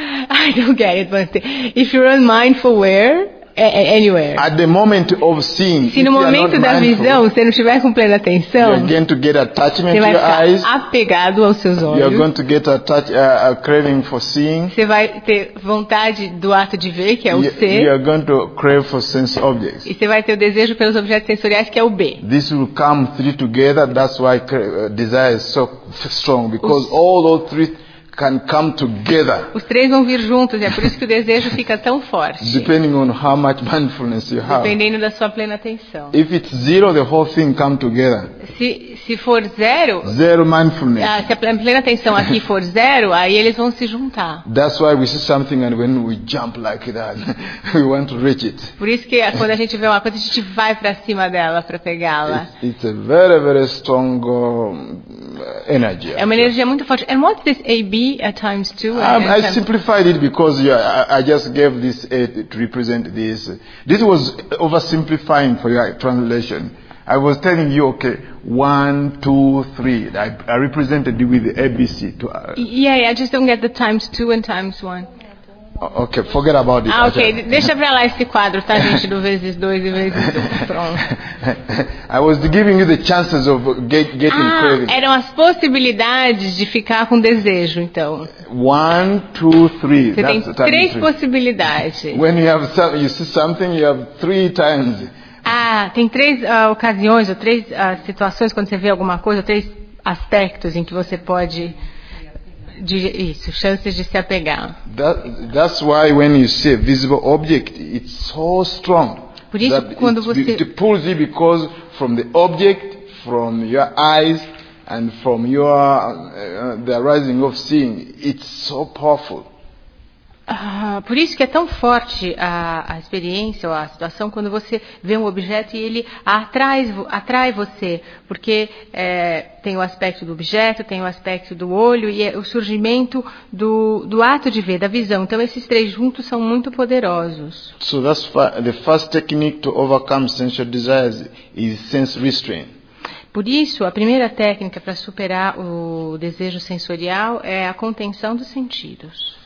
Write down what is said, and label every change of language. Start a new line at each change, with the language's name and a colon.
English: I don't get it, but if you're unmindful, where? Anywhere. At the moment of seeing.
Portuguese: Se no momento da visão você não estiver com plena atenção.
English: You're going to get attachment to your eyes.
Portuguese: Você vai ficar apegado aos seus olhos.
English: You're going to get a craving for seeing.
Portuguese: Você vai ter vontade do ato de ver, que é o C.
English: You're going to crave for sense objects.
Portuguese: E você vai ter o desejo pelos objetos sensoriais, que é o B.
English: This will come three together. That's why desire is so strong, because all those three can come together.
Portuguese: Os três vão vir juntos, é por isso que o desejo fica tão forte.
English: Depending on how much mindfulness you have.
Portuguese: Dependendo da sua plena atenção.
English: If it's zero, the whole thing come together.
Portuguese: Se for zero.
English: Zero mindfulness.
Portuguese: Se a plena atenção aqui for zero, aí eles vão se juntar.
English: That's why we see something and when we jump like that, we want to reach it.
Portuguese: Por isso que quando a gente vê uma coisa, a gente vai para cima dela para pegá-la.
English: It's a very, very strong energy.
Portuguese: É uma energia muito forte.
English: And what's this AB? At times too. I simplified it because I just gave this A to represent this. This was oversimplifying for your translation. I was telling you, okay, 1, 2, 3. I represented it with the ABC. I just don't get the times 2 and times 1. Okay, forget about it.
Portuguese: Ah, okay. Deixa para lá esse quadro, tá, gente? Do vezes dois e vezes dois. Pronto.
English: I was giving you the chances of getting crazy.
Portuguese: Ah, eram as possibilidades de ficar com desejo, então.
English: One, two, three.
Portuguese: Você tem três possibilidades.
English: When you have you see something, you have three times.
Portuguese: Ah, tem três ocasiões ou três situações quando você vê alguma coisa, três aspectos em que você pode isso, chances de se apegar.
English: That's why when you see a visible object, it's so strong.
Portuguese: Por isso, quando você
English: it pulls you because from the object, from your eyes, and from your the arising of seeing, it's so powerful.
Portuguese: Por isso que é tão forte a experiência ou a situação quando você vê um objeto e ele atrai você, porque tem o aspecto do objeto, tem o aspecto do olho e é o surgimento do ato de ver, da visão. Então esses três juntos são muito poderosos.
English: So that's the first technique to overcome sensual desires is sense restraint.
Portuguese: Por isso, a primeira técnica para superar o desejo sensorial é a contenção dos sentidos.